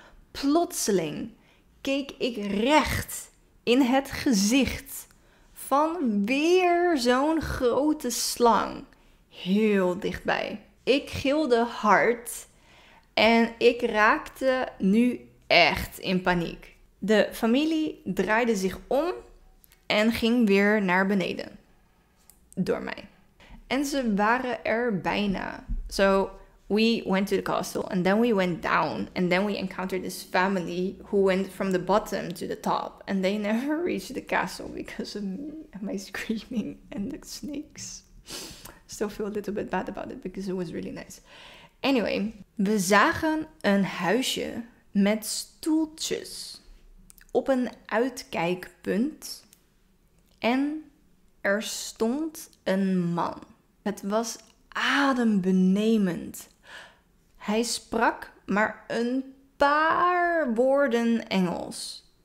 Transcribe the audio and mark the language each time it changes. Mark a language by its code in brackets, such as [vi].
[nl] Plotseling keek ik recht in het gezicht van weer zo'n grote slang. Heel dichtbij. Ik gilde hard en ik raakte nu echt in paniek. De familie draaide zich om en ging weer naar beneden. Door mij. En ze waren er bijna. [en] So, we went to the castle and then we went down. And then we encountered this family who went from the bottom to the top. And they never reached the castle because of me and my screaming and the snakes. Still feel a little bit bad about it because it was really nice. [nl] Anyway, we zagen een huisje met stoeltjes op een uitkijkpunt. En er stond een man. Het was adembenemend. Hij sprak maar een paar woorden Engels.